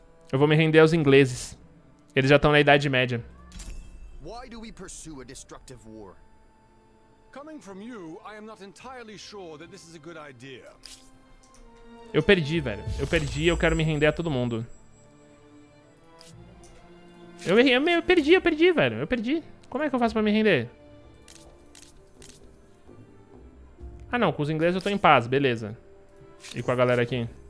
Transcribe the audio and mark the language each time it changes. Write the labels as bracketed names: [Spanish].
[Portuguese] Eu vou me render aos ingleses. Eles já estão na Idade Média. [English] Why do we pursue a destructive war? Coming from you, I am not entirely sure that this is a good idea. [Portuguese] Eu perdi, velho. Eu perdi e eu quero me render a todo mundo. Eu perdi, velho. Como é que eu faço pra me render? Ah, não. Com os ingleses eu tô em paz, beleza. E com a galera aqui?